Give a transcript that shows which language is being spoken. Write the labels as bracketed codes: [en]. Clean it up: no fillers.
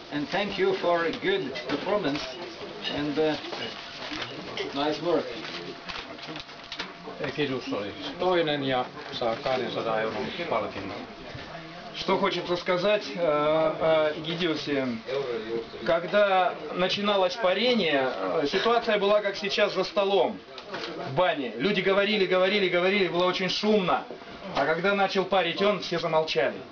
[en] Thank you for a good performance and nice work. [fi] Egidijus oli toinen ja saa 200 euron palkinnon. [ru] Что хочется сказать Egidijusе, когда начиналось парение, ситуация была как сейчас за столом в бане. Люди говорили, было очень шумно. А когда начал парить он, все замолчали.